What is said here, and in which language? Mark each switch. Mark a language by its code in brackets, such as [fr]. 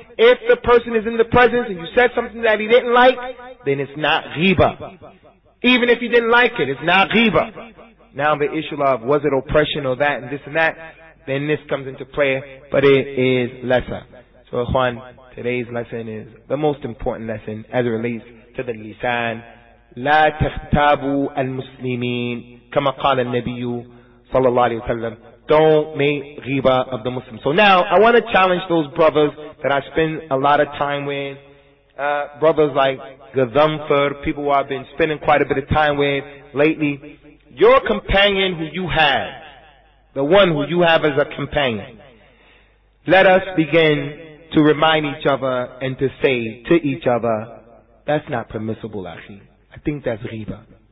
[en] If the person is in the presence and you said something that he didn't like, then it's not ghiba. Even if he didn't like it, it's not ghiba. Now the issue of was it oppression or that and this and that, then this comes into play, but it is lesser. So, Ikhwan, today's lesson is the most important lesson as it relates to the lisan. [ar] لا تختابوا المسلمين كما قال النبي صلى الله عليه وسلم. [en] Don't make ghiba of the Muslims. So now, I want to challenge those brothers that I spend a lot of time with. Brothers like Ghazanfar, people who I've been spending quite a bit of time with lately. Your companion who you have, the one who you have as a companion, let us begin to remind each other and to say to each other, that's not permissible, akhi. I think that's ghiba.